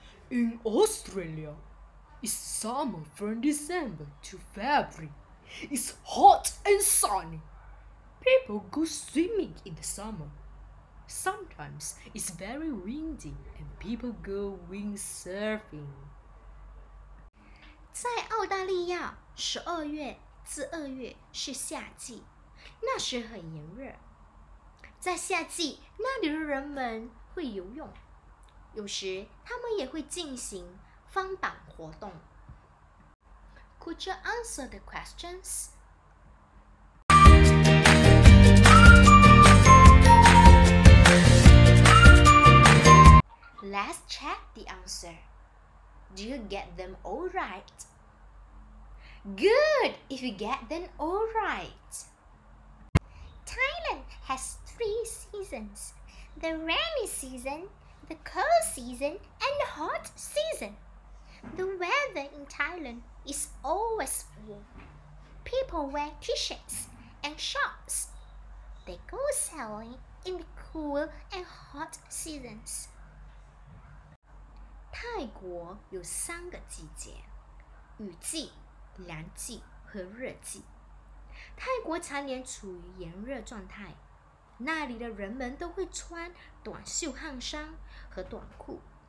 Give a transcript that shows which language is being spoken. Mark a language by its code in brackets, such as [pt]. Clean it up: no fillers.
[en] In Australia,It's summer from December to February. It's hot and sunny. People go swimming in the summer. Sometimes it's very windy and people go windsurfing. [zh] 在澳大利亚，十二月至二月是夏季，那时很炎热。在夏季，那里的人们会游泳，有时他们也会进行翻板活动。 [en] Could you answer the questions? Let's check the answer. Do you get them all right? Good if you get them all right. Thailand has three seasons. The rainy season, the cold season, and the hot season. The weather in Thailand is always warm. People wear t-shirts and shorts. They go sailing in the cool and hot seasons. [zh] 泰国有三个季节，雨季、凉季和热季。泰国常年处于炎热状态，那里的人们都会穿短袖汗衫和短裤。